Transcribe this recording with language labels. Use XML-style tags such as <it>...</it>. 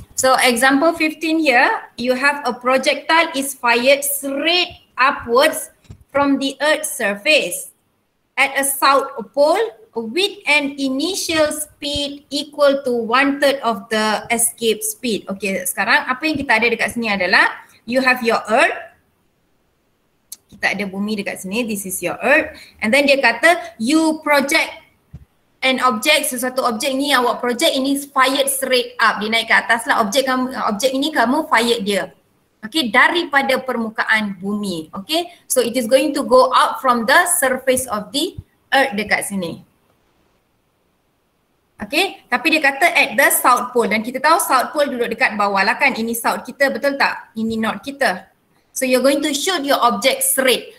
<en>So example 15 here, you have a projectile is fired straight upwards from the Earth's surface at a south pole with an initial speed equal to 1/3 of the escape speed.</en> <ms>Okay, sekarang apa yang kita ada dekat sini adalah</ms> <en>you have your Earth.</en> <ms>Kita ada bumi dekat sini.</ms> <en>This is your Earth. And then</en> <ms>dia kata</ms> <en>you project an object,</en> <ms>sesuatu objek ni awak project ini</ms> <en>fired straight up.</en> <ms>Dia naik ke atas lah. Objek kamu, objek ini kamu fired dia. Okay, daripada permukaan bumi.</ms> <en>Okay, so it is going to go out from the surface of the Earth</en> <ms>dekat sini. Okay, tapi dia kata</ms> <en>at the South Pole.</en> <ms>Dan kita tahu South Pole duduk dekat bawah lah kan. Ini South kita, betul tak? Ini North kita.</ms> <en>So you're going to shoot your object straight.</en>